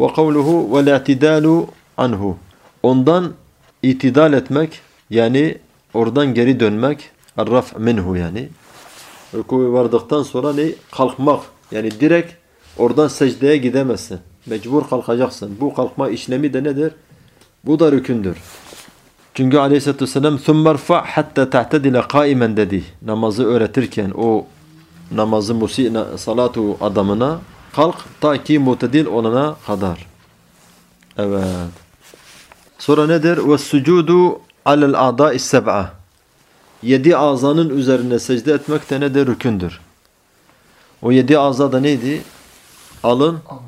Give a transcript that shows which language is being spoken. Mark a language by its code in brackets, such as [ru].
[ar] Ve kavluhu vel itidalu anhu. [tr] Ondan itidal etmek, yani oradan geri dönmek, arraf minhu yani. Rükuyu vardıktan sonra ne? Kalkmak. Yani direkt oradan secdeye gidemezsin. Mecbur kalkacaksın. Bu kalkma işlemi de nedir? Bu da rükündür. [ar] Çünkü aleyhissalatü vesselam ثُمَّ رْفَعْ حَتَّى تَحْتَدِلَ قَائِمًا dedi. [tr] Namazı öğretirken o namazı musî salatu adamına kalk ta ki mutedil olana kadar. Evet. Sonra nedir? [ar] وَالسُّجُودُ عَلَى الْاَعْضَاءِ السَّبْعَةِ. [tr] Yedi azanın üzerine secde etmek de nedir? Rükündür. O yedi aza da neydi? Alın.